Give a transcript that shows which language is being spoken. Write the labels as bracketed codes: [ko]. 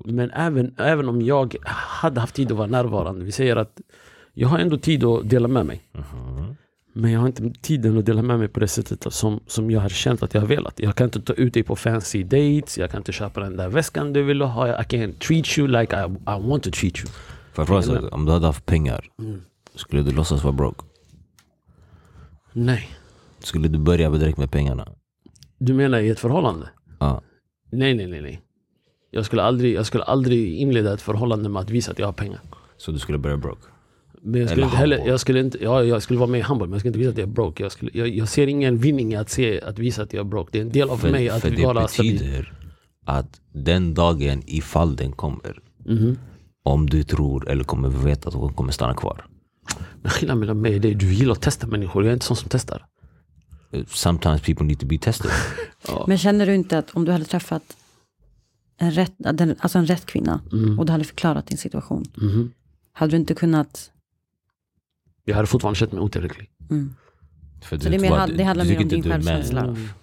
[sv] Men även om jag hade haft tid att vara närvarande. Vi säger att jag har ändå tid att dela med mig. Uh-huh. Men jag har inte tiden att dela med mig på det sättet som jag har känt att jag har velat. Jag kan inte ta ut dig på [en] fancy dates. [sv] Jag kan inte köpa den där väskan du vill ha. [en] I can treat you like I want to treat you. [sv] För att fråga, om du hade haft pengar, skulle du låtsas vara broke? Nej. Skulle du börja direkt med pengarna? Du menar i ett förhållande? Ja. Nej. Jag skulle aldrig inleda ett förhållande med att visa att jag har pengar. Så du skulle börja broke? Men jag skulle inte heller, jag skulle vara med i handboll, men jag skulle inte visa att jag är broke. Jag ser ingen vinning att visa att jag är broke. Det är en del av för, mig att vara stabil. För det betyder att den dagen, ifall den kommer, om du tror eller kommer veta att hon kommer stanna kvar. Men skillnaden mellan mig är det, du gillar att testa människor, jag är inte sån som testar. [en] Sometimes people need to be tested. [sv] Ja. Men känner du inte att om du hade träffat en rätt kvinna och du hade förklarat din situation, hade du inte kunnat... Jag hade fortfarande känt mig otillräcklig. Det handlar mer om din självkänsla.